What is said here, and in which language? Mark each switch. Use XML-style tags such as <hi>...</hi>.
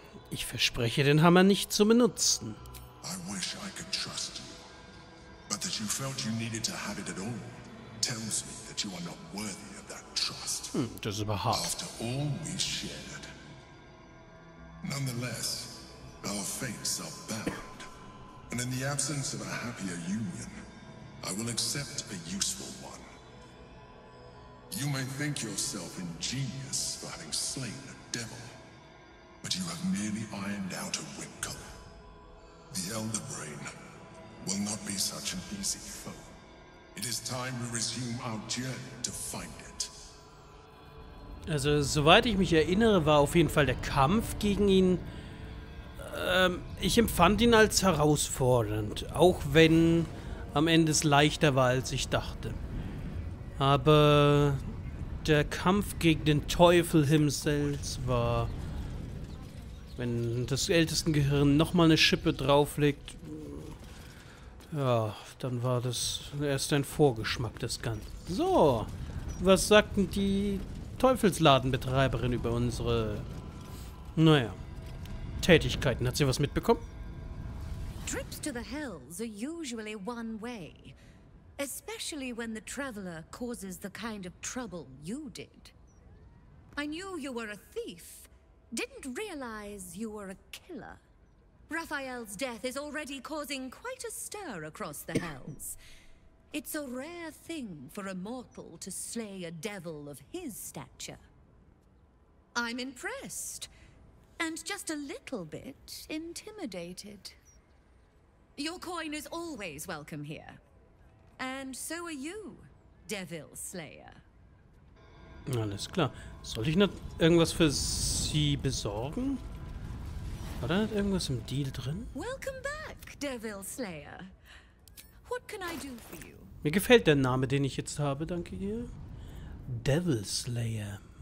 <de>Ich verspreche den Hammer nicht zu benutzen.</de> <en>I wish I could trust you. But that you felt you needed to have it at all tells me that you are not worthy of that trust.</en> <de>Das ist aber hart.</de> <en>After all we shared. Nonetheless, our fates are bound. And in the absence of a happier union, I will accept a useful one. You may think yourself ingenious for having slain a devil, but you have merely ironed out a wrinkle. The Elder Brain will not be such an easy foe. It is time we resume our journey to find it.</en> <de>Also, soweit ich mich erinnere, war auf jeden Fall der Kampf gegen ihn. Ich empfand ihn als herausfordernd, auch wenn am Ende es leichter war, als ich dachte. Aber der Kampf gegen den Teufel</de> <en>himself</en> <de>war, wenn das Ältestengehirn nochmal eine Schippe drauflegt, ja, dann war das erst ein Vorgeschmack des Ganzen. So, was sagten die Teufelsladenbetreiberin über unsere, naja, Tätigkeiten? Hat sie was mitbekommen?</de> <en>Trips to the hills are usually one way. Especially when the traveler causes the kind of trouble you did. I knew you were a thief. Didn't realize you were a killer. Raphael's death is already causing quite a stir across the hells. It's a rare thing for a mortal to slay a devil of his stature. I'm impressed. And just a little bit intimidated. Your coin is always welcome here. And so are you, Devil Slayer.</en> <de>Alles klar. Soll ich noch irgendwas für sie besorgen? War da nicht irgendwas im Deal drin?</de> <en>Welcome back, Devil Slayer. What can I do for you?</en> <de>Mir gefällt der Name, den ich jetzt habe, danke ihr. Devil Slayer.</de>